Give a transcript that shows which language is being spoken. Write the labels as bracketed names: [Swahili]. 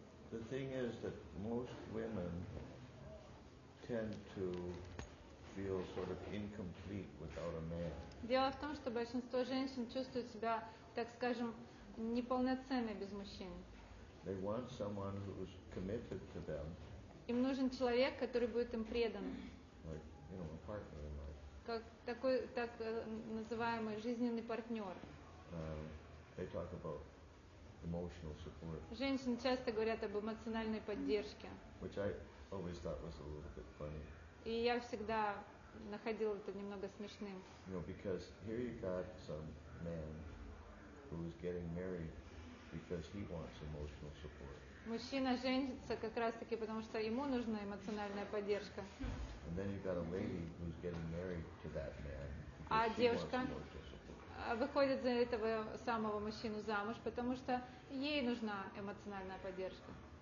[English] The thing is that most women tend to feel sort of incomplete without a man. [Russian] Дело в том, что большинство женщин чувствуют себя, так скажем, неполноценной без мужчин. [English] They want someone who's committed to them. [Russian] Им нужен человек, который будет им предан. [English] Like, you know, a partner in life. [Russian] Как такой так называемый жизненный партнер. [English] They talk about emotional support. [Russian] Женщины часто говорят об эмоциональной поддержке. [English] Which I always thought was a little bit funny. [Russian] И я всегда находила это немного смешным. [English] You know, because here you got some man who is getting married because he wants emotional support. [Russian] Мужчина женится как раз таки потому что ему нужна эмоциональная поддержка. [English] And then you got a lady who's getting married to that man. [Russian] А девушка выходит за этого самого мужчину замуж, потому что ей нужна эмоциональная поддержка.